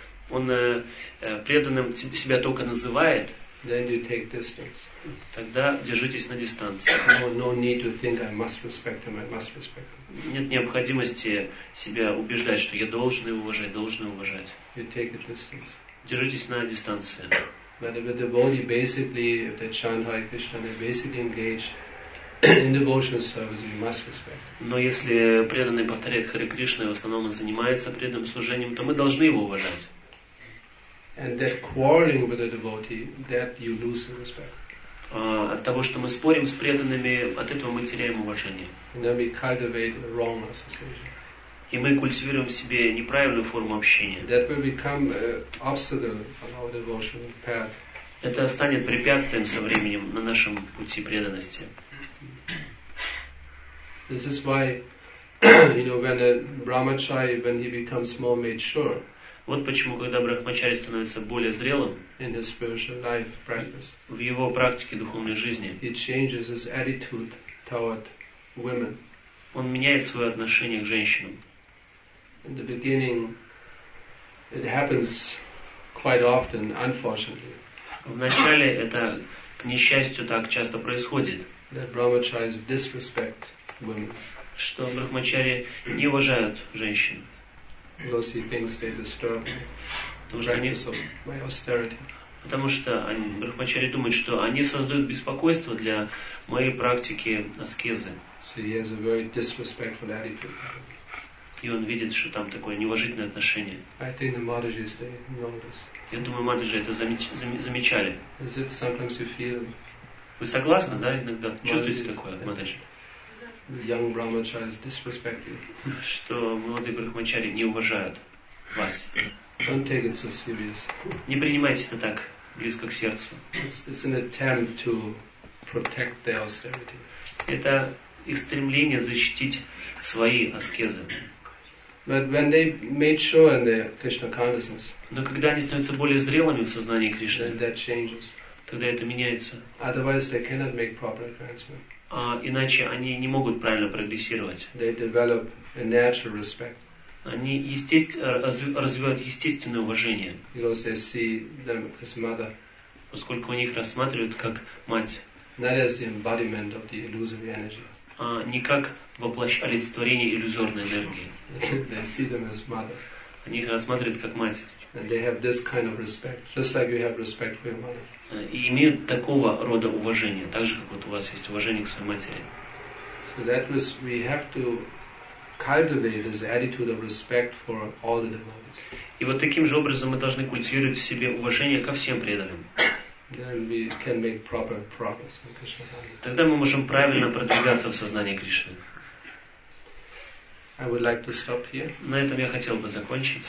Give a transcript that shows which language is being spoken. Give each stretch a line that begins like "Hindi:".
Russian: Он преданным себя только называет.
English: Then you take distance.
Russian: Тогда держитесь на дистанции.
English: No need to think I must respect him. I must respect him.
Russian: Нет необходимости себя убеждать, что я должен его уважать, должен его уважать.
English: You take a distance.
Russian: Держитесь на дистанции.
English: But if a devotee basically, if they chant Hare Krishna, they basically engage in devotional service, you must respect.
Russian: Но если преданный повторяет Харе Кришна и в основном он занимается преданным служением, то мы должны его уважать.
English: And that quarreling with a devotee, that you lose respect.
Russian: От того, что мы спорим с преданными, от этого мы теряем уважение.
English: And then we cultivate a wrong association.
Russian: И мы культивируем в себе неправильную форму общения.
English: That will become an obstacle on our devotional path.
Russian: Это станет препятствием со временем на нашем пути преданности.
English: This is why, you know, when a brahmachari, when he becomes more mature.
Russian: Вот почему, когда брахмачари становится более зрелым
English: in his spiritual life practice,
Russian: в его практике духовной жизни,
English: he changes his attitude toward women.
Russian: Он меняет свое отношение к женщинам.
English: In the beginning, it happens quite often, unfortunately.
Russian: Вначале это, к несчастью, так часто происходит.
English: That brahmacharis disrespect women.
Russian: Что брахмачари не уважают женщин.
English: Because he thinks they disturb practice of my austerity.
Russian: Потому что они, брахмачари думают, что они создают беспокойство для моей практики аскезы.
English: So he has a very disrespectful attitude.
Russian: И он видит, что там такое неуважительное отношение.
English: I think the Madhujis, they know this.
Russian: Я думаю, Мадхуджи это замечали.
English: Is it sometimes you feel?
Russian: Вы согласны, да, иногда чувствуете такое, Мадхуджи?
English: Young brahmacharis disrespect you.
Russian: Что молодые брахмачари не уважают вас.
English: Don't take it so serious.
Russian: Не принимайте это так близко к сердцу.
English: It's an attempt to protect their austerity.
Russian: Это их стремление защитить свои аскезы.
English: But when they made sure in their Krishna consciousness,
Russian: но когда они становятся более зрелыми в сознании Кришны,
English: then that changes.
Russian: Тогда это меняется.
English: Otherwise, they cannot make proper advancement.
Russian: А иначе они не могут правильно прогрессировать.
English: They develop a natural respect.
Russian: Они развивают естественное уважение.
English: Because they see them as mother.
Russian: Поскольку они их рассматривают как мать.
English: Not as the embodiment of the illusory energy.
Russian: А не как олицетворение иллюзорной энергии.
English: They see them as mother.
Russian: Они их рассматривают как мать.
English: And they have this kind of respect, just like you have respect for your mother.
Russian: И имеют такого рода уважение, так же как вот у вас есть уважение к своей матери.
English: So that was we have to cultivate this attitude of respect for all the devotees.
Russian: И вот таким же образом мы должны культивировать в себе уважение ко всем преданным.
English: Then we can make proper progress in Krishna consciousness.
Russian: Тогда мы можем правильно продвигаться в сознании Кришны.
English: I would like to stop here.
Russian: На этом я хотел бы закончить.